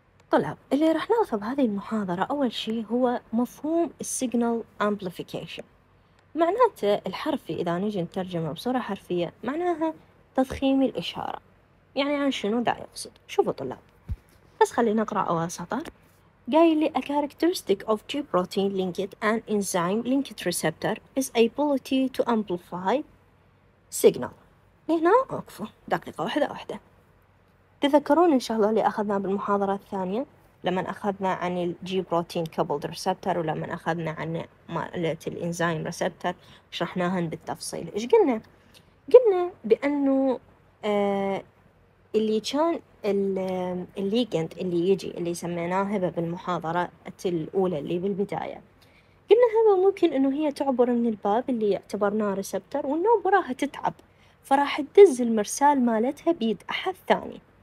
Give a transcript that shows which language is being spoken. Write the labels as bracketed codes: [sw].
[ar] طلاب، اللي راح نعرفه بهذه المحاضرة أول شيء هو مفهوم السيجنال أمبليفيكيشن. معناته الحرفي، إذا نجي نترجمه بصورة حرفية، معناها تضخيم الإشارة. يعني عن شنو دا يقصد؟ شوفوا طلاب، بس خلينا نقرأ أول سطر. قايل لي [en] a characteristic of G protein linked and enzyme linked receptor is ability to amplify signal. [ar] هنا أوقفوا دقيقة واحدة واحدة. تذكرون إن شاء الله اللي أخذنا بالمحاضرة الثانية لما أخذنا عن ال G protein coupled receptor، ولما أخذنا عن مالة ال enzyme receptor شرحناهن بالتفصيل. إيش قلنا؟ قلنا بأنه اللي كان الليجند اللي يجي اللي سميناه هبة بالمحاضرة الأولى اللي بالبداية، قلنا هبة ممكن إنه هي تعبر من الباب اللي اعتبرناه ريسبتر، وإنه براها تتعب فراح تدز المرسال مالتها بيد أحد ثاني.